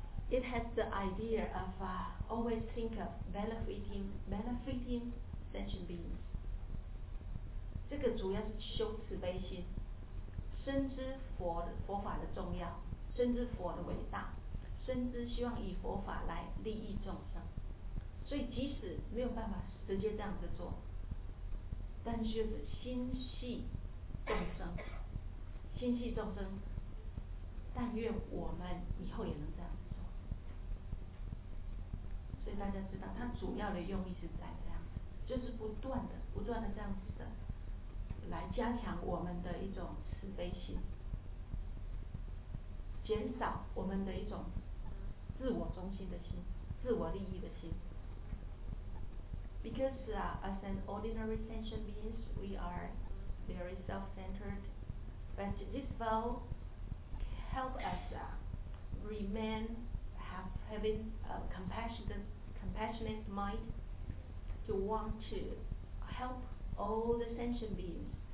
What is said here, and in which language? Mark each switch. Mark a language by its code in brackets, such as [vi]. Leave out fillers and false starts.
[en] It has the idea of always think of benefiting sentient beings. [zh] 这个主要是修慈悲心，深知佛法的重要，深知佛的伟大，深知希望以佛法来利益众生。所以即使没有办法直接这样子做，但是就是心系众生，但愿我们以后也能这样。所以大家知道他主要的用意是在这样，就是不断的这样子的来加强我们的一种慈悲心，减少我们的一种自我中心的心，自我利益的心。 [en] Because as an ordinary sentient beings we are very self-centered, but this vow help us remain having a compassionate mind to want to help all the sentient beings.